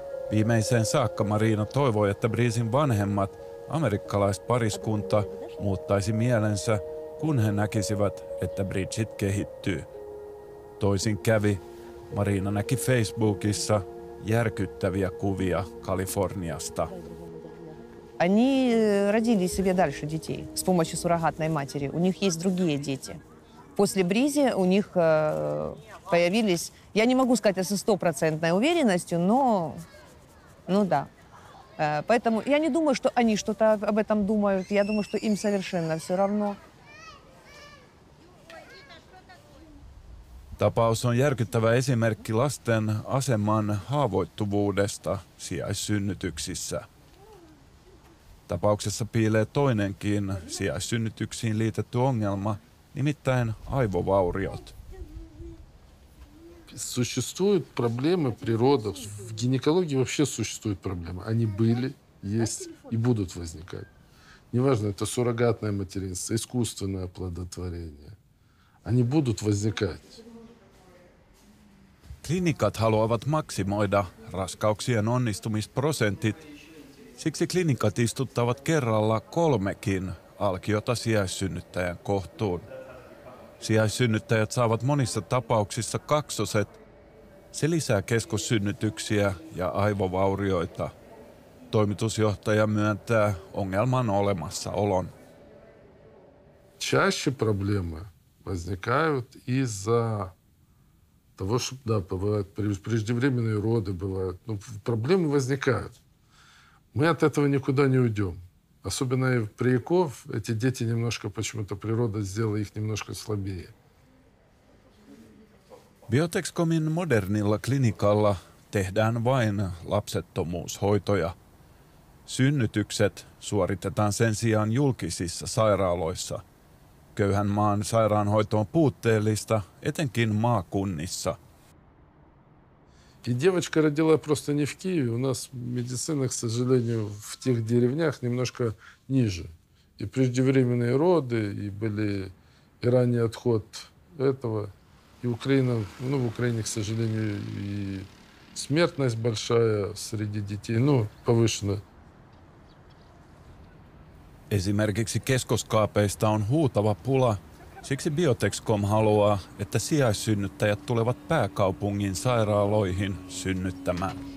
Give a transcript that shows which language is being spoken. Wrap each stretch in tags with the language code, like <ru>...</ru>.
<fi>Viimeiseen saakka Marina toivoi, että Breezin vanhemmat, amerikkalaispariskunta, muuttaisi mielensä, kun he näkisivät, että Bridget kehittyy. Toisin kävi. Marina näki Facebookissa järkyttäviä kuvia Kaliforniasta.</fi> <ru>Они родили себе дальше детей с помощью суррогатной матери. У них есть другие дети. После Бризи у них появились, я не могу сказать со стопроцентной уверенностью, но, ну да. Поэтому я не думаю, что они что-то об этом думают. Я думаю, что им совершенно все равно.</ru> <fi>Tapaus on järkyttävä esimerkki lasten aseman haavoittuvuudesta sijaissynnytyksissä. Tapauksessa piilee toinenkin sijaissynnytyksiin liitetty ongelma, nimittäin aivovauriot.</fi> <ru>Существуют проблемы при родах. В гинекологии вообще существуют проблемы. Они были, есть и будут возникать. Неважно, это суррогатное материнство, искусственное оплодотворение. Они будут возникать.</ru> <fi>Клиникат haluavat максимоида раскауксиен оннистумиспросентит. Siksi klinikat istuttavat kerralla kolmekin alkiota sijaissynnyttäjän kohtuun. Sijaissynnyttäjät saavat monissa tapauksissa kaksoset. Se lisää keskussynnytyksiä ja aivovaurioita. Toimitusjohtaja myöntää ongelman olemassaolon.</fi> <ru>Чаще проблемы возникают из-за того, что да, бывают преждевременные роды, бывают. Но проблемы возникают. Мы от этого никуда не уйдем. Особенно при ЭКО эти дети немножко почему-то природа сделала их немножко слабее.</ru> <fi>Biotexcomin modernilla klinikalla tehdään vain lapsettomuushoitoja. Synnytykset suoritetaan sen sijaan julkisissa sairaaloissa. Köyhän maan sairaanhoito on puutteellista, etenkin maakunnissa.</fi> <ru>И девочка родила просто не в Киеве. У нас медицина, к сожалению, в тех деревнях немножко ниже. И преждевременные роды, и были и ранний отход этого. И Украина, ну, в Украине, к сожалению, и смертность большая среди детей, ну, повышенная.</ru> <fi>Esimerkiksi keskoskaapeista on huutava pula. Siksi Biotexcom haluaa, että sijaissynnyttäjät tulevat pääkaupungin sairaaloihin synnyttämään.</fi>